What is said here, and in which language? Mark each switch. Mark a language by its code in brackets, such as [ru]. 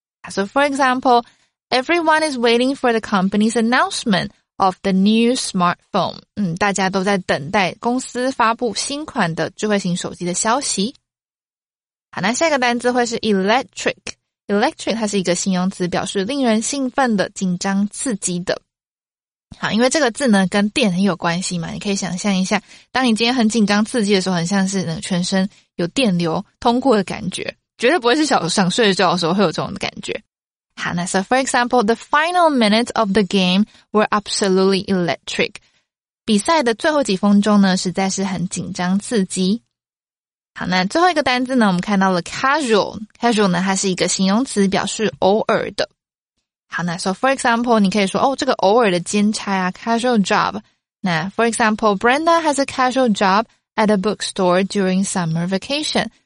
[en] So for example, everyone is waiting for the company's announcement of the new smartphone. [zh] 大家都在等待公司发布新款的智慧型手机的消息。好，那下一个单字会是 electric。Electric 它是一个形容词，表示令人兴奋的、紧张、刺激的。好，因为这个字呢跟电很有关系嘛，你可以想象一下，当你今天很紧张、刺激的时候，很像是全身有电流通过的感觉，绝对不会是小想睡觉的时候会有这种感觉。 [en] 好，那 so for example, the final minutes of the game were absolutely electric. [zh] 比赛的最后几分钟呢，实在是很紧张、刺激。好，那最后一个单字呢，我们看到了 casual 呢，它是一个形容词，表示偶尔的。好，那 [en] so for example, [zh] 你可以说哦，这个偶尔的兼差啊 casual job。 [en] 那 for example, Brenda has a casual job at a bookstore during summer vacation.